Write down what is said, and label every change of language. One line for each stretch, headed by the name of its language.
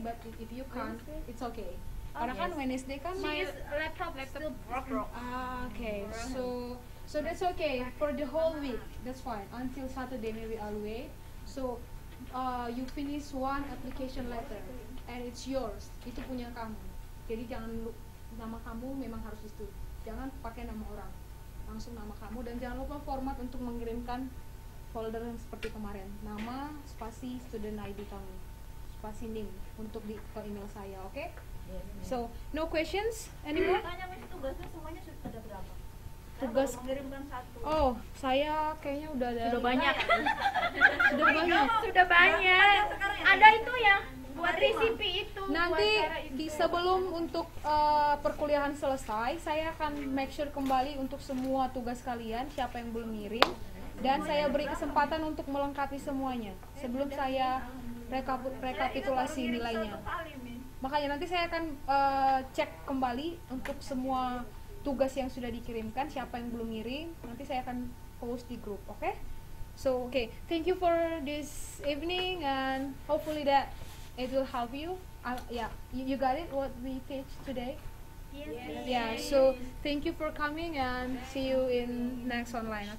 English: But if you can't, Wednesday? It's okay.
Indonesian: Karena kan Wednesday kan
English: my laptop still broke. Okay, so that's okay for the whole week. That's fine until Saturday. Maybe I'll wait. So, you finish one application letter, and it's yours.
Indonesian: Itu punya kamu. Jadi jangan nama kamu memang harus itu. Jangan pakai nama orang. Langsung nama kamu, dan jangan lupa format untuk mengirimkan folder seperti kemarin, nama, spasi, student ID kamu.
English: privacy name
Indonesian: untuk di ke email saya, oke?
English: Okay? So, no questions anymore?
Indonesian: Tanya mis tugasnya semuanya sudah ada berapa? Tugas mengirimkan satu. Oh, saya kayaknya udah ada. Sudah banyak. Sudah banyak. Sudah banyak. Ada itu yang buat CV itu. Nanti di sebelum untuk perkuliahan selesai, saya akan make sure kembali untuk semua tugas kalian siapa yang belum ngirim dan saya beri kesempatan untuk melengkapi semuanya sebelum saya rekapitulasi nilainya. Makanya nanti saya akan cek kembali untuk semua tugas yang sudah dikirimkan, siapa yang belum ngirim, nanti saya akan post di grup, oke?
English: Okay? So, okay, thank you for this evening and hopefully that it will help you. Yeah, you got it what we teach today? Yes. Yeah, so thank you for coming and see you in next online, oke?